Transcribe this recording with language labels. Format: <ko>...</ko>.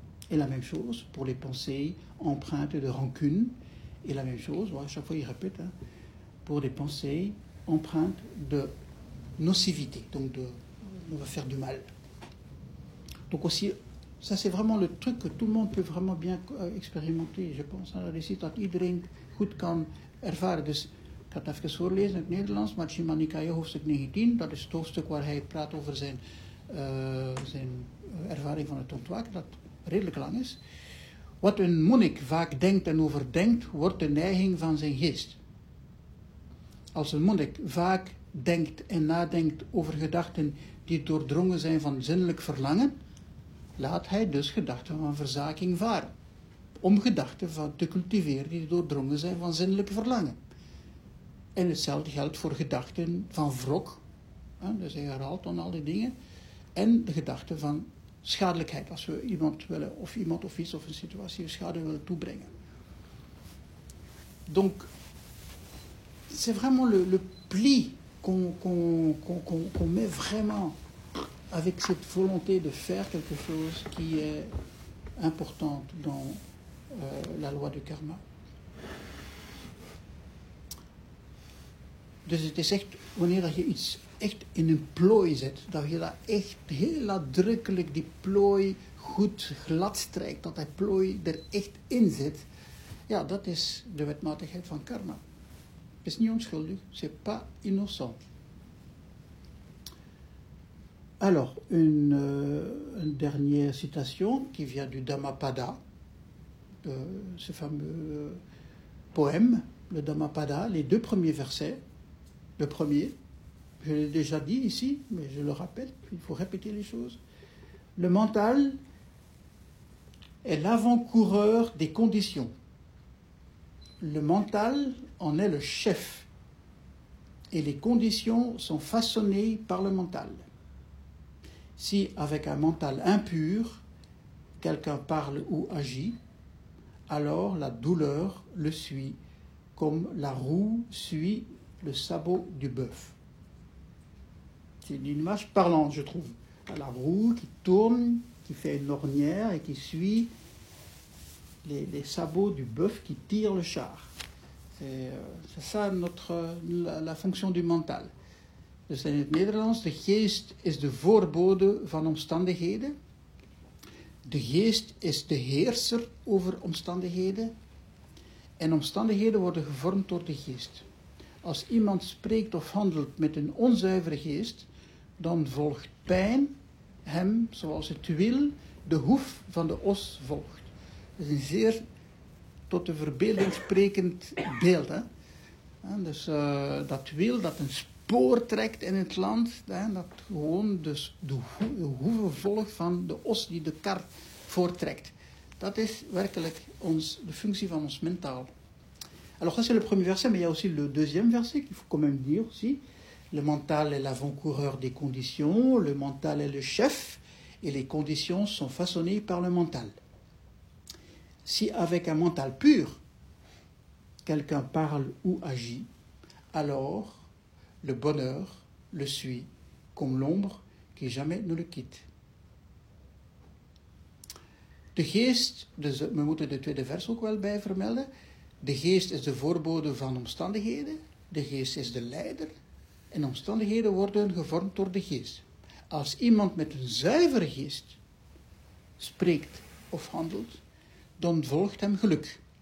<fr>Et la même chose pour les pensées empreintes de rancune, et la même chose, à chaque fois il répète, pour des pensées empreintes de nocivité, donc de on va faire du mal. Donc aussi, ça c'est vraiment le truc que tout le monde peut vraiment bien expérimenter, je pense, à des sites</fr> <nl>dat iedereen goed kan ervaren. Dus ik ga het even voorlezen in het Nederlands, Majjhima Nikaya hoofdstuk 19, dat is het hoofdstuk waar hij praat over zijn ervaring van het ontwaken, dat redelijk lang is. Wat een monnik vaak denkt en overdenkt, wordt de neiging van zijn geest. Als een monnik vaak denkt en nadenkt over gedachten die doordrongen zijn van zinnelijk verlangen, laat hij dus gedachten van verzaking varen, om gedachten van te cultiveren die doordrongen zijn van zinnelijk verlangen. En hetzelfde geldt voor gedachten van wrok, dus hij herhaalt dan al die dingen, en de gedachten van schadelijkheid, als we iemand willen, of iemand of iets of een situatie schade willen toebrengen.</nl> <fr>Donc, c'est vraiment le pli qu'on met vraiment avec cette volonté de faire quelque chose qui est importante dans la loi du karma.</fr> <nl>Dus het is echt wanneer je iets echt in een plooi zet, dat je dat echt heel nadrukkelijk die plooi goed glad strijkt, dat die plooi er echt in zit, ja, dat is de wetmatigheid van karma. Het is niet onschuldig,</nl> <fr>c'est pas innocent. Alors, une dernière citation qui vient du Dhammapada, ce fameux poème, le Dhammapada, les deux premiers versets. Le premier, je l'ai déjà dit ici, mais je le rappelle, il faut répéter les choses. Le mental est l'avant-coureur des conditions. Le mental en est le chef. Et les conditions sont façonnées par le mental. Si avec un mental impur, quelqu'un parle ou agit, alors la douleur le suit, comme la roue suit le sabot du bœuf. C'est une image parlante, je trouve. La roue qui tourne, qui fait une ornière et qui suit les sabots du bœuf qui tire le char. C'est ça la fonction du mental.</fr> <nl>Dus in het Nederlands, de geest is de voorbode van omstandigheden. De geest is de heerser over omstandigheden. En omstandigheden worden gevormd door de geest. Als iemand spreekt of handelt met een onzuivere geest, dan volgt pijn hem, zoals het wiel, de hoef van de os volgt. Dat is een zeer tot de verbeelding sprekend beeld. Hè? Dus dat wiel, dat een voortrekt in het land, dat gewoon dus de hoeven volgt van de os die de kar voorttrekt. Dat is werkelijk de functie van ons mentaal.</nl> <fr>Alors, ça c'est le premier verset, mais il y a aussi le deuxième verset qu'il faut quand même dire aussi. Le mental est l'avant-coureur des conditions, le mental est le chef, et les conditions sont façonnées par le mental. Si avec un mental pur, quelqu'un parle ou agit, alors le bonheur le suit comme l'ombre qui jamais ne le quitte.</fr> <nl>De geest, dus we moeten de tweede vers ook wel bij vermelden. De geest is de voorbode van omstandigheden. De geest is de leider. En omstandigheden worden gevormd door de geest. Als iemand met een zuivere geest spreekt of handelt, dan volgt hem geluk.</nl>